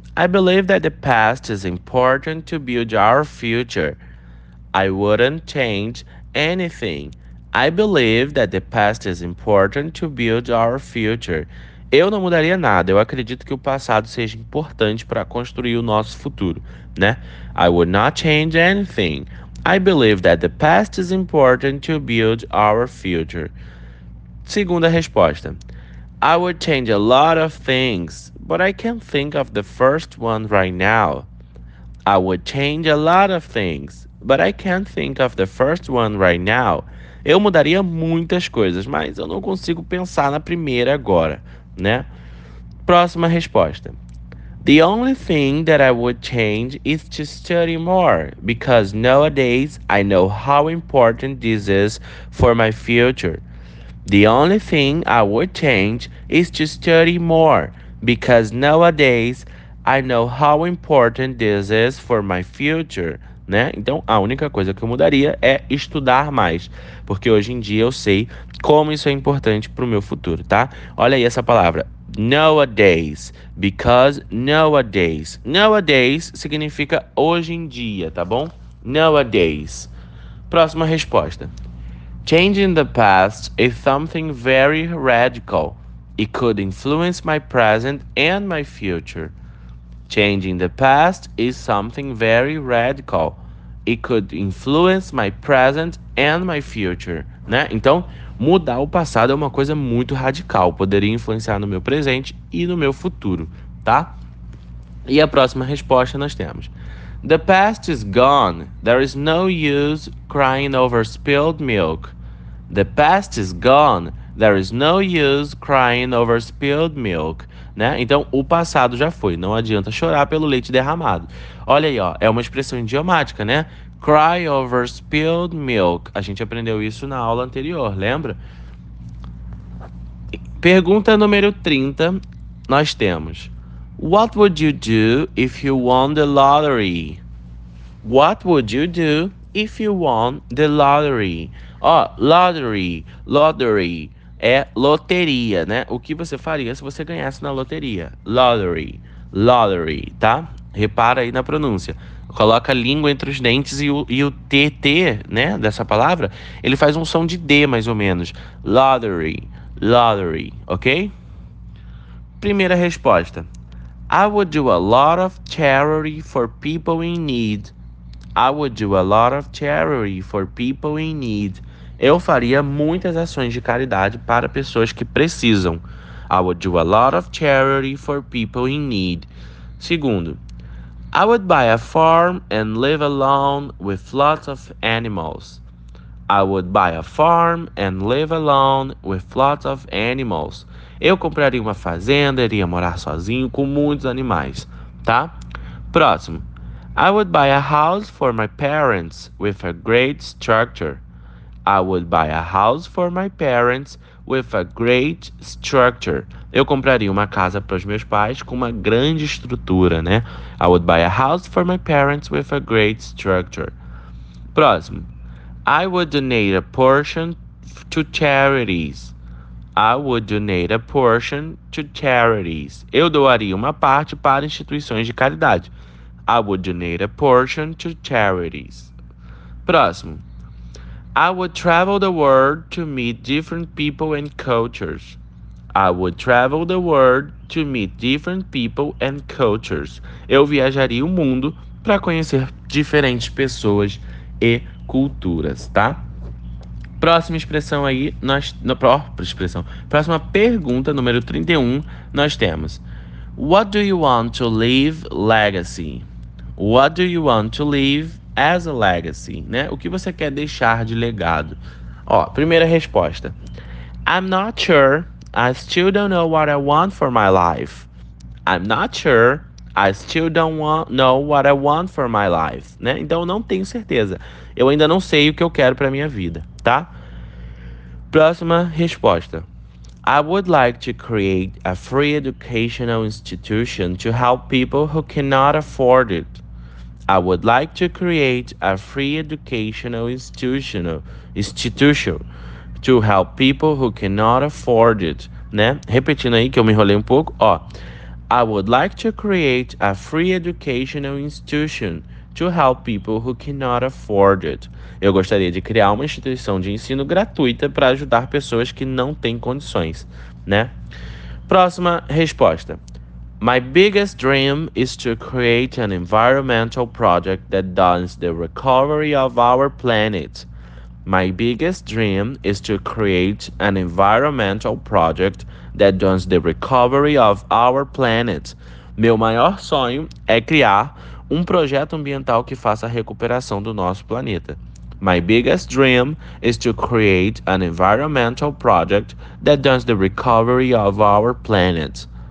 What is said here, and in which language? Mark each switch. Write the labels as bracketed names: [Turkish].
[English] I believe that the past is important to build our future. I wouldn't change anything. I believe that the past is important to build our future. [Portuguese] Eu não mudaria nada. Eu acredito que o passado seja importante para construir o nosso futuro, né? [English] I would not change anything. I believe that the past is important to build our future. [Portuguese] Segunda resposta. [English] I would change a lot of things, but I can't think of the first one right now. I would change a lot of things, but I can't think of the first one right now. [Portuguese] Eu mudaria muitas coisas, mas eu não consigo pensar na primeira agora, né? Próxima resposta. [English] The only thing that I would change is to study more, because nowadays I know how important this is for my future. The only thing I would change is to study more, because nowadays I know how important this is for my future, né? [Portuguese] Então, a única coisa que eu mudaria é estudar mais, porque hoje em dia eu sei como isso é importante pro meu futuro, tá? Olha aí essa palavra, nowadays, [English] because nowadays. [Portuguese] Nowadays significa hoje em dia, tá bom? [English] Nowadays. [Portuguese] Próxima resposta. [English] Changing the past is something very radical. It could influence my present and my future. Changing the past is something very radical. It could influence my present and my future. [Portuguese] Né? Então, mudar o passado é uma coisa muito radical. Poderia influenciar no meu presente e no meu futuro, tá? E a próxima resposta nós temos. [English] The past is gone. There is no use crying over spilled milk. The past is gone. There is no use crying over spilled milk. [Portuguese] Né? Então, o passado já foi. Não adianta chorar pelo leite derramado. Olha aí, ó, é uma expressão idiomática, né? [English] Cry over spilled milk. [Portuguese] A gente aprendeu isso na aula anterior, lembra? Pergunta número 30, nós temos. [English] What would you do if you won the lottery? What would you do if you won the lottery? [Portuguese] Ó, lottery é loteria, né? O que você faria se você ganhasse na loteria? Lottery, tá? Repara aí na pronúncia. Coloca a língua entre os dentes e o TT, né, dessa palavra, ele faz um som de D, mais ou menos. Lottery, ok? Primeira resposta. [English] I would do a lot of charity for people in need. I would do a lot of charity for people in need. [Portuguese] Eu faria muitas ações de caridade para pessoas que precisam. [English] I would do a lot of charity for people in need. [Portuguese] Segundo, [English] I would buy a farm and live alone with lots of animals. I would buy a farm and live alone with lots of animals. [Portuguese] Eu compraria uma fazenda, iria morar sozinho com muitos animais, tá? Próximo. [English] I would buy a house for my parents with a great structure. I would buy a house for my parents with a great structure. [Portuguese] Eu compraria uma casa para os meus pais com uma grande estrutura, né? [English] I would buy a house for my parents with a great structure. [Portuguese] Próximo. [English] I would donate a portion to charities. I would donate a portion to charities. [Portuguese] Eu doaria uma parte para instituições de caridade. [English] I would donate a portion to charities. [Portuguese] Próximo. [English] I would travel the world to meet different people and cultures. I would travel the world to meet different people and cultures. [Portuguese] Eu viajaria o mundo para conhecer diferentes pessoas e culturas, tá? Próxima expressão aí, nós. Na própria expressão. Próxima pergunta, número 31, nós temos. [English] What do you want to leave legacy? What do you want to leave as a legacy? [Portuguese] Né? O que você quer deixar de legado? Ó, primeira resposta. [English] I'm not sure. I still don't know what I want for my life. I'm not sure. I still don't know what I want for my life. [Portuguese] Né? Então, eu não tenho certeza. Eu ainda não sei o que eu quero para minha vida. Tá? Próxima resposta. [English] I would like to create a free educational institution to help people who cannot afford it. I would like to create a free educational institution to help people who cannot afford it. [Portuguese] Né? Repetindo aí que eu me enrolei um pouco. Ó. [English] I would like to create a free educational institution to help people who cannot afford it. [Portuguese] Eu gostaria de criar uma instituição de ensino gratuita para ajudar pessoas que não têm condições, né? Próxima resposta. [English] My biggest dream is to create an environmental project that does the recovery of our planet. My biggest dream is to create an environmental project that does the recovery of our planet. [Portuguese] Meu maior sonho é criar um projeto ambiental que faça a recuperação do nosso planeta. [English] My biggest dream is to create an environmental project that does the recovery of our planet.